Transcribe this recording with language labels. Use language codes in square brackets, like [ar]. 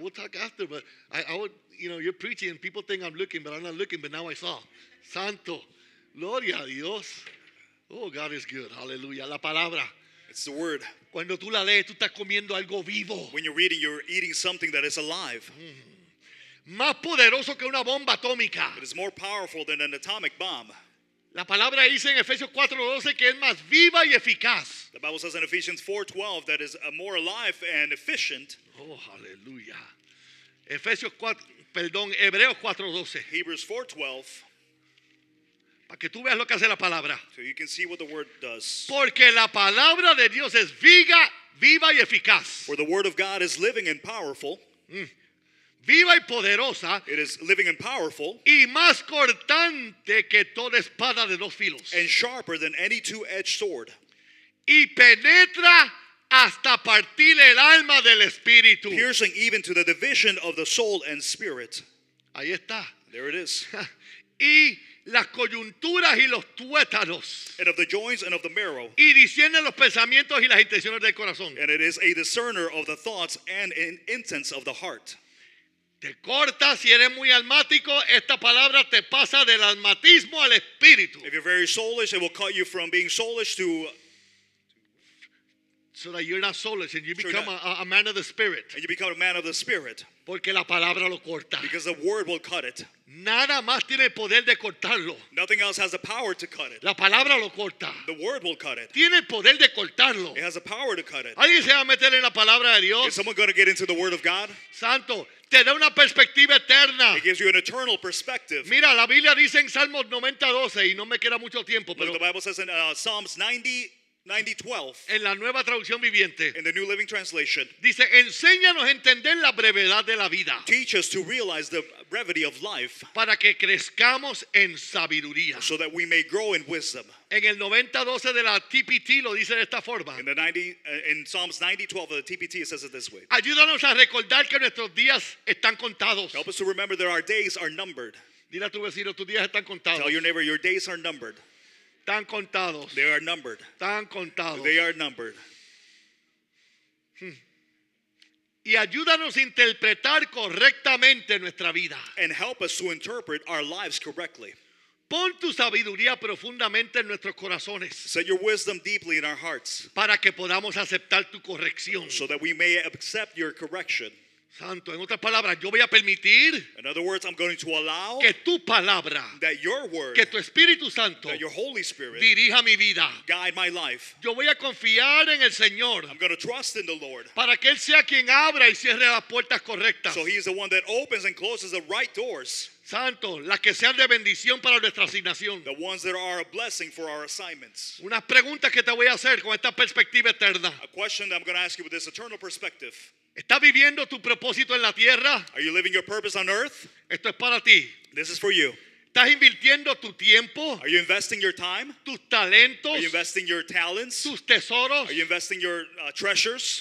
[en] We'll talk after, but I would, you know, you're preaching and people think I'm looking, but I'm not looking, but now I saw. [es] Santo. Gloria a Dios. [en] Oh, God is good. Hallelujah. [es] La palabra. [en] It's the word. [es] Cuando tú la lees, tú estás comiendo algo vivo. [en] When you're reading, you're eating something that is alive. [es] Más poderoso que una bomba atómica. [en] It is more powerful than an atomic bomb. [es] La palabra dice en Efesios 4:12 que es más viva y eficaz. [en] The Bible says in Ephesians 4:12 that is more alive and efficient. [es] Oh, hallelujah. Efesios 4, perdón, Hebreos 4:12. [en] Hebrews 4:12. [es] Para que tú veas lo que hace la palabra. [en] So you can see what the word does. [es] Porque la palabra de Dios es viva, viva y eficaz. [en] For the word of God is living and powerful. [es] Viva y poderosa. [en] It is living and powerful. [es] Y más cortante que toda espada de dos filos. [en] And sharper than any two-edged sword. [es] Y penetra hasta partir el alma del espíritu. [en] Piercing even to the division of the soul and spirit. [es] Ahí está. [en] There it is. [es] Y las coyunturas y los tuétanos. [en] And of the joints and of the marrow. [es] Y discierne los pensamientos y las intenciones del corazón. [en] And it is a discerner of the thoughts and intents of the heart. [es] Te corta, si eres muy almático, esta palabra te pasa del almatismo al espíritu. [en] If you're very soulish, it will cut you from being soulish to... So that you're not soulish and you become a man of the spirit. And you become a man of the spirit. [es] Porque la palabra lo corta. [en] Because the word will cut it. [es] Nada más tiene el poder de cortarlo. [en] Nothing else has the power to cut it. [es] La palabra lo corta. [en] The word will cut it. [es] Tiene el poder de cortarlo. [en] It has the power to cut it. [es] ¿Alguien se va a meter en la palabra de Dios? [en] Is someone going to get into the word of God? [es] Santo. Te da una perspectiva eterna. [en] It gives you an eternal perspective. [es] Mira, la Biblia dice en Salmos 90:12 y no me queda mucho tiempo, pero [en] the Bible says in Psalms 90:12. [es] En la Nueva Traducción Viviente. [en] In the New Living Translation. [es] Dice, "Enséñanos a entender la brevedad de la vida." [en] Teach us to realize the brevity of life. [es] Para que crezcamos en sabiduría. [en] So that we may grow in wisdom. [es] En el 90:12 de la TPT lo dice de esta forma. [en] In Psalms 90:12 of the TPT it says it this way. [es] Ayúdanos a recordar que nuestros días están contados. [en] Help us to remember that our days are numbered. [es] Dile a tu vecino, tus días están contados. [en] Tell your neighbor, your days are numbered. [es] Están contados. [en] They are numbered. [es] Están contados. [en] They are numbered. [es] Y ayúdanos a interpretar correctamente nuestra vida. [en] And help us to interpret our lives correctly. [es] Pon tu sabiduría profundamente en nuestros corazones. [en] Set your wisdom deeply in our hearts. [es] Para que podamos aceptar tu corrección. [en] So that we may accept your correction. [es] Santo, en otras palabras, yo voy a permitir. [en] In other words, I'm going to allow. [es] Que tu palabra. [en] That your word. [es] Que tu Espíritu Santo. [en] That your Holy Spirit. [es] Dirija mi vida. [en] Guide my life. [es] Yo voy a confiar en el Señor. [en] I'm going to trust in the Lord. [es] Para que Él sea quien abra y cierre las puertas correctas. [en] So He is the one that opens and closes the right doors. [es] Santo, las que sean de bendición para nuestra asignación. [en] The ones that are a blessing for our assignments. [es] Una pregunta que te voy a hacer con esta perspectiva eterna. [en] A question that I'm going to ask you with this eternal perspective. [es] ¿Estás viviendo tu propósito en la tierra? [en] Are you living your purpose on earth? [es] Esto es para ti. [en] This is for you. [es] ¿Estás invirtiendo tu tiempo? [en] Are you investing your time? [es] ¿Tus talentos? [en] Are you investing your talents? [es] ¿Tus tesoros? [en] Are you investing your treasures?